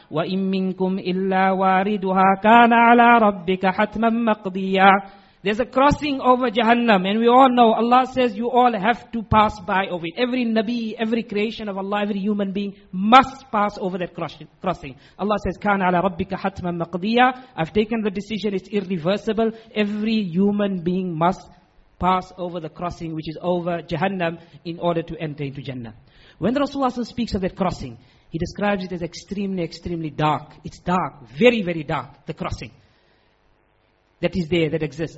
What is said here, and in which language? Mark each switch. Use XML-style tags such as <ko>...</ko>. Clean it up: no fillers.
<ar>وَإِن مِّنكُمْ إِلَّا وَارِدُهَا كَانَ عَلَىٰ رَبِّكَ حَتْمًا مَقْضِيًّا.</ar> <en>There's a crossing over Jahannam, and we all know, Allah says, you all have to pass by over it. Every Nabi, every creation of Allah, every human being must pass over that crossing. Allah says,</en> <ar>كَانَ عَلَىٰ رَبِّكَ حَتْمًا مَقْضِيًّا.</ar> <en>I've taken the decision, it's irreversible. Every human being must pass over the crossing, which is over Jahannam, in order to enter into Jannah. When Rasulullah speaks of that crossing, he describes it as extremely, extremely dark. It's dark, very, very dark, the crossing that is there, that exists.</en>